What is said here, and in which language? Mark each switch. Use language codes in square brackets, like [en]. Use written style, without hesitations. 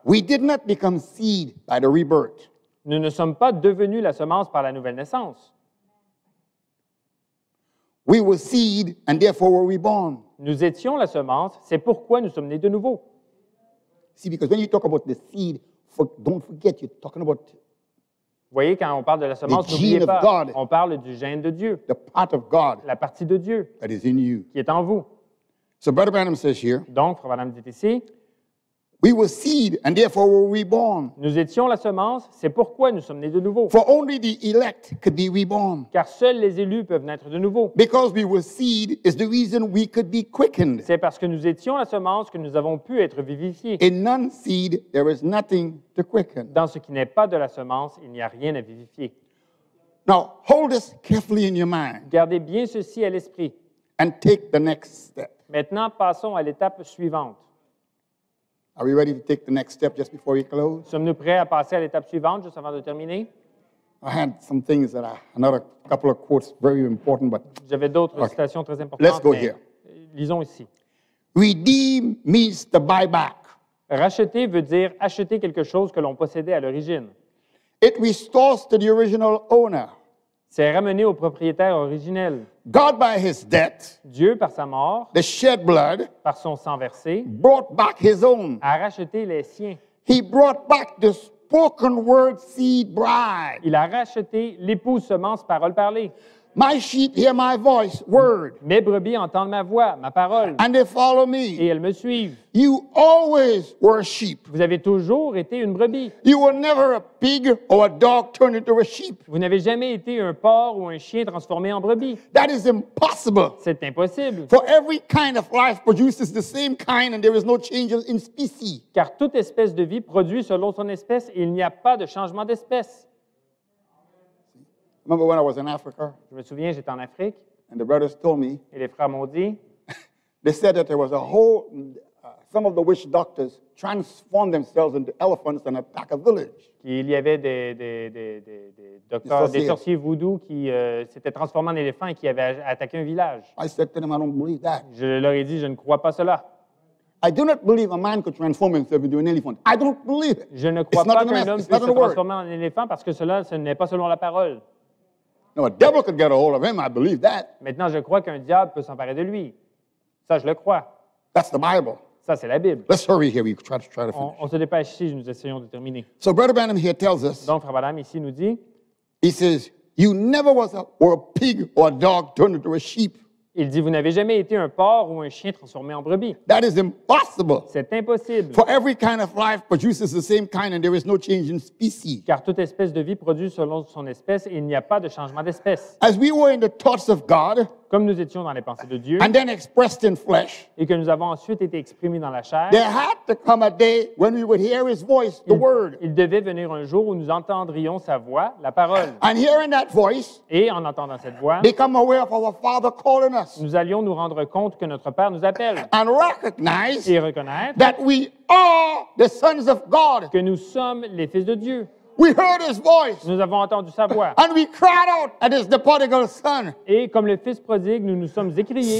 [en] We did not become seed by the rebirth. [fr] Nous ne sommes pas devenus la semence par la nouvelle naissance. [en] We were seed and therefore were reborn. [fr] Nous étions la semence, c'est pourquoi nous sommes nés de nouveau. [en] See, because when you talk about the seed, don't forget you're talking about. [fr] Vous voyez, quand on parle de la semence, n'oubliez pas, [en] God, [fr] on parle du gène de Dieu. [en] The part of God, [fr] la partie de Dieu [en] that is in you, [fr] qui est en vous. [en] So Brother Branham says here, [fr] donc, Frère Branham dit ici, [en] we were seed and therefore were reborn. [fr] Nous étions la semence, c'est pourquoi nous sommes nés de nouveau. [en] For only the elect could be reborn. [fr] Car seuls les élus peuvent naître de nouveau. [en] Because we were seed is the reason we could be quickened. [fr] C'est parce que nous étions la semence que nous avons pu être vivifiés. [en] In non-seed, there is nothing to quicken. [fr] Dans ce qui n'est pas de la semence, il n'y a rien à vivifier. [en] Now, hold this carefully in your mind. [fr] Gardez bien ceci à l'esprit. [en] And take the next step. [fr] Maintenant, passons à l'étape suivante. [en] Are we ready to take the next step just before we close? [fr] Sommes-nous prêts à passer à l'étape suivante juste avant de terminer? [en] I had some things that another couple of quotes very important, but [fr] j'avais d'autres citations très importantes. [en] Let's go here. [fr] Lisons ici. [en] Redeem means to buy back. [fr] Racheter veut dire acheter quelque chose que l'on possédait à l'origine. [en] It restores to the original owner. [fr] C'est ramené au propriétaire originel. [en] God by his death, [fr] Dieu par sa mort, [en] the shed blood, [fr] par son sang versé, [en] brought back his own, [fr] a racheté les siens. [en] He brought back the spoken word seed bride. [fr] Il a racheté l'épouse semence parole parlée. [en] My sheep hear my voice, word. [fr] Mes brebis entendent ma voix, ma parole. [en] And they follow me. [fr] Et elles me suivent. [en] You always were a sheep. [fr] Vous avez toujours été une brebis. [en] You were never a pig or a dog turned into a sheep. [fr] Vous n'avez jamais été un porc ou un chien transformé en brebis. [en] That is impossible. [fr] C'est impossible. [en] For every kind of life produces the same kind and there is no change in species. [fr] Car toute espèce de vie produit selon son espèce et il n'y a pas de changement d'espèce. [en] Remember when I was in Africa? [fr] Je me souviens, j'étais en Afrique. [en] And the brothers told me. [fr] Et les frères m'ont dit. [en] They said that there was a whole, some of the witch doctors transformed themselves into elephants and attack a village. [fr] Il y avait des docteurs, des sorciers voodoo qui s'étaient transformés en éléphants et qui avaient attaqué un village. [en] I said to them, I don't believe that. [fr] Je leur ai dit, je ne crois pas cela. [en] I do not believe a man could transform himself into an elephant. I don't believe it. [fr] Je ne crois pas qu'un homme puisse se transformer en éléphant parce que cela, ce n'est pas selon la parole. [en] No, a devil could get a hold of him. I believe that. [fr] Maintenant, je crois qu'un diable peut s'emparer de lui. Ça, je le crois. [en] That's the Bible. [fr] Ça, c'est la Bible. [en] Let's hurry here. We try to finish. [fr] On se dépêche ici. Nous essayons de terminer. [en] So Brother Branham here tells us. [fr] Donc, Frère Branham ici nous dit. [en] He says, "You never was a pig or a dog turned into a sheep." [fr] Il dit, vous n'avez jamais été un porc ou un chien transformé en brebis. [en] That is impossible. [fr] C'est impossible. [en] For every kind of life produces the same kind and there is no change in species. [fr] Car toute espèce de vie produit selon son espèce et il n'y a pas de changement d'espèce. [en] As we were in the thoughts of God, [fr] comme nous étions dans les pensées de Dieu, [en] and then expressed in flesh, [fr] et que nous avons ensuite été exprimés dans la chair, [en] there had to come a day when we would hear his voice, the word. [fr] Il devait venir un jour où nous entendrions sa voix, la parole. [en] And hearing that voice, [fr] et en entendant cette voix, [en] become aware of our Father calling us. [fr] Nous allions nous rendre compte que notre Père nous appelle. [en] And recognize, [fr] et reconnaître, [en] that we are the sons of God. [fr] Que nous sommes les fils de Dieu. [en] We heard his voice. [fr] Nous avons entendu sa voix. [en] And we cried out at his prodigal son. [fr] Et comme le fils prodigue, nous nous sommes écriés.